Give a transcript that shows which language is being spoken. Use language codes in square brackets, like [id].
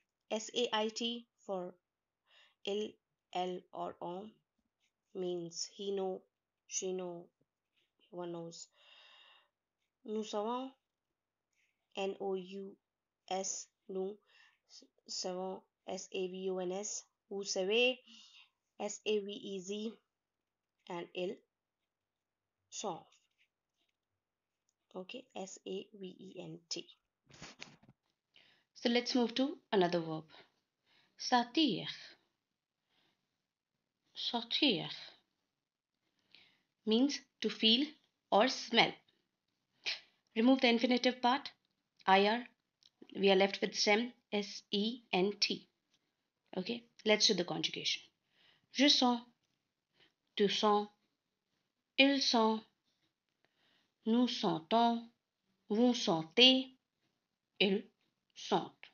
[en] S-A-I-T for il, elle or on means he know, she know, one knows. [fr] Nous savons, N-O-U-S, nous savons, S-A-V-O-N-S. Vous savez, S-A-V-E-Z, and il, sont. [en] Okay, S-A-V-E-N-T. So let's move to another verb. Sortir. Sortir means to feel or smell. Remove the infinitive part, IR. We are left with stem, S-E-N-T. Okay, let's do the conjugation. [fr] Je sens, tu sens, il sent, nous sentons, vous sentez, il sent.